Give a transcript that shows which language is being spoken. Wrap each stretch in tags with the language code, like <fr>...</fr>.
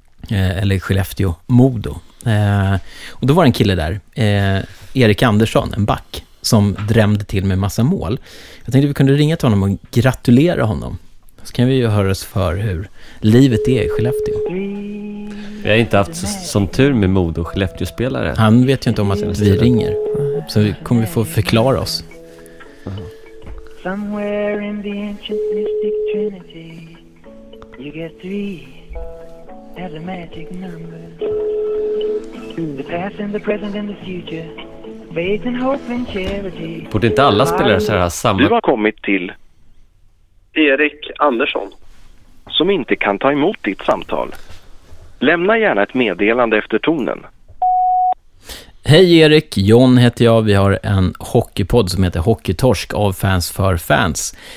<sv>Eller Skellefteå Modo. Och då var en kille där, Erik Andersson, en back, som drömde till med massa mål. Jag tänkte att vi kunde ringa till honom och gratulera honom. Så kan vi ju höra oss för hur livet är i Skellefteå. Vi har inte haft sån tur med Modo och Skellefteå-spelare. Han vet ju inte om att vi ringer. Så vi kommer få förklara oss.</sv> <en>Somewhere in the ancient mystic trinity you get three as a magic number. The past and the present and the future.</en> <sv>Borde inte alla spelare så här samma... Du har kommit till Erik Andersson som inte kan ta emot ditt samtal. Lämna gärna ett meddelande efter tonen. Hej Erik, John heter jag. Vi har en hockeypodd som heter Hockeytorsk av fans för fans.</sv>